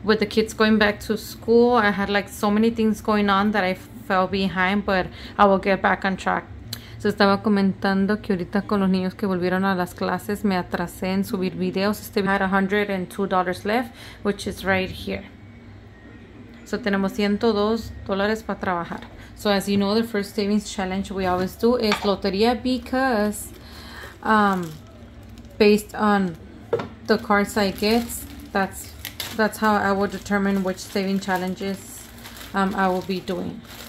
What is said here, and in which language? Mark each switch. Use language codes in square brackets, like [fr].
[en] With the kids going back to school, I had like so many things going on that I fell behind, but I will get back on track. [es] So estaba comentando que ahorita con los niños que volvieron a las clases, me atrasé en subir videos. Este video [en] had $102 left, which is right here. [es] So tenemos $102 para trabajar. [en] So as you know, the first savings challenge we always do is lotería because... Based on the cards I get, that's how I will determine which saving challenges I will be doing.